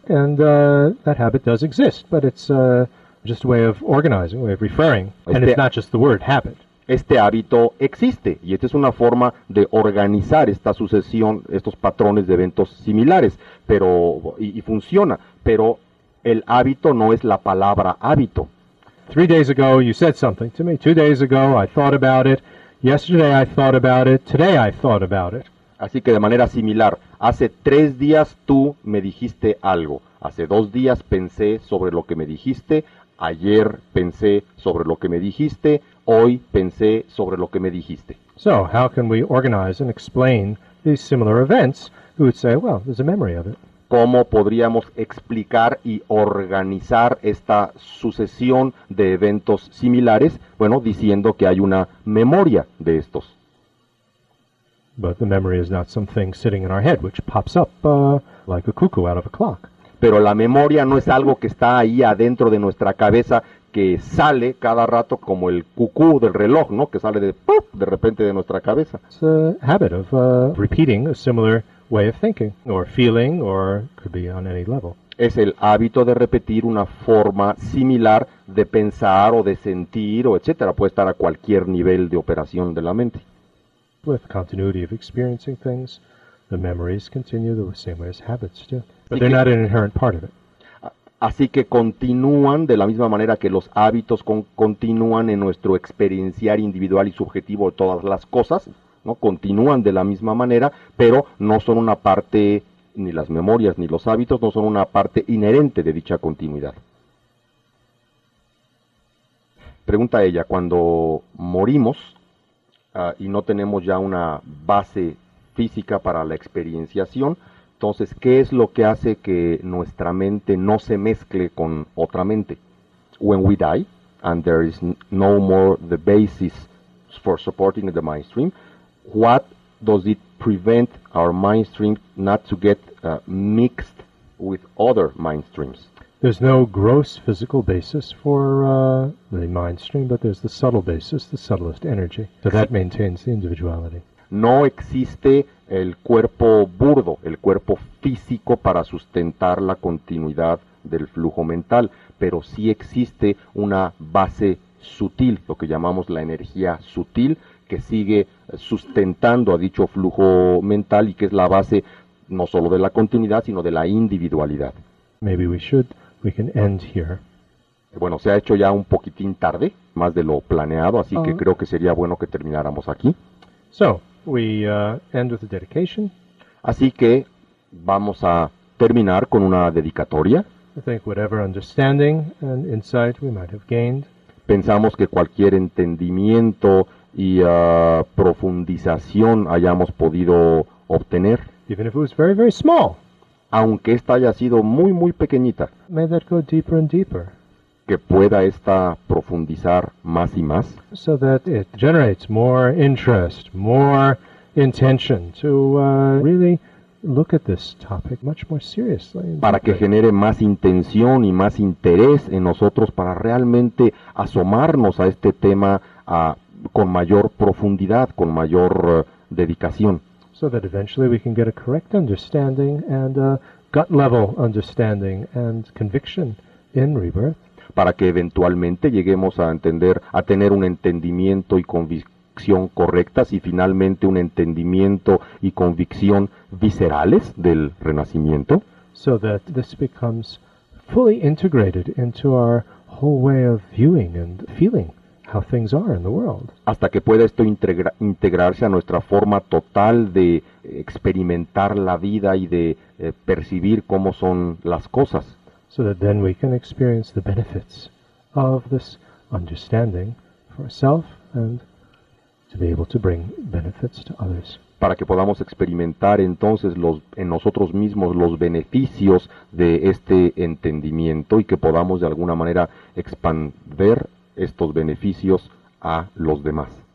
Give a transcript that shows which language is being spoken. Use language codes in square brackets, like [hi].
[en] And that habit does exist, but it's just a way of organizing, a way of referring. And it's not just the word habit. [es] Este hábito existe y esta es una forma de organizar esta sucesión, estos patrones de eventos similares, pero y funciona, pero el hábito no es la palabra hábito. [en] 3 days ago you said something to me. 2 days ago I thought about it. Yesterday I thought about it. Today I thought about it. [es] Así que de manera similar, hace 3 días tú me dijiste algo. Hace 2 días pensé sobre lo que me dijiste. Ayer pensé sobre lo que me dijiste. Hoy pensé sobre lo que me dijiste. [en] So, how can we organize and explain these similar events? Who would say, well, there's a memory of it. [es] ¿Cómo podríamos explicar y organizar esta sucesión de eventos similares? Bueno, diciendo que hay una memoria de estos. [en] But the memory is not something sitting in our head, which pops up like a cuckoo out of a clock. [es] Pero la memoria no es algo que está ahí adentro de nuestra cabeza que sale cada rato como el cucú del reloj, ¿no? Que sale de repente de nuestra cabeza. [en] It's a habit of repeating a similar way of thinking or feeling or could be on any level. [es] Es el hábito de repetir una forma similar de pensar o de sentir o etcétera. Puede estar a cualquier nivel de operación de la mente. [en] With continuity of experiencing things, the memories continue the same way as habits do. But they're not an inherent part of it. [es] Así que continúan de la misma manera que los hábitos continúan en nuestro experienciar individual y subjetivo de todas las cosas, ¿no? Continúan de la misma manera, pero no son una parte, ni las memorias ni los hábitos, no son una parte inherente de dicha continuidad. pregunta ella, cuando morimos y no tenemos ya una base física para la experienciación, entonces, ¿qué es lo que hace que nuestra mente no se mezcle con otra mente? [en] When we die, and there is no more the basis for supporting the mindstream, what does it prevent our mindstream not to get mixed with other mindstreams? There's no gross physical basis for the mindstream, but there's the subtle basis, the subtlest energy. So that maintains the individuality. [es] No existe el cuerpo burdo, el cuerpo físico para sustentar la continuidad del flujo mental, pero sí existe una base sutil, lo que llamamos la energía sutil, que sigue sustentando a dicho flujo mental y que es la base no solo de la continuidad, sino de la individualidad. [en] Maybe we can end here. [es] Bueno, se ha hecho ya un poquitín tarde, más de lo planeado, así que creo que sería bueno que termináramos aquí. [en] So, we end with a dedication. [es] Así que vamos a terminar con una dedicatoria. [en] I think whatever understanding and insight we might have gained. [es] Pensamos que cualquier entendimiento y profundización hayamos podido obtener. [en] Even if it was very, very small. [es] Aunque esta haya sido muy, muy pequeñita. [en] May that go deeper and deeper. [es] Que pueda esta profundizar más y más. [en] So that it generates more interest, more intention to really look at this topic much more seriously. [es] Para que genere más intención y más interés en nosotros para realmente asomarnos a este tema con mayor profundidad, con mayor dedicación. [en] So that eventually we can get a correct understanding and a gut level understanding and conviction in rebirth. [es] Para que eventualmente lleguemos a entender, a tener un entendimiento y convicción correctas y finalmente un entendimiento y convicción viscerales del renacimiento. [en] So that this becomes fully integrated into our whole way of viewing and feeling how things are in the world. [es] Hasta que pueda esto integrarse a nuestra forma total de experimentar la vida y de percibir cómo son las cosas. [en] So that then we can experience the benefits of this understanding for ourselves and to be able to bring benefits to others. [es] Para que podamos experimentar entonces en nosotros mismos los beneficios de este entendimiento y que podamos de alguna manera expandir estos beneficios a los demás.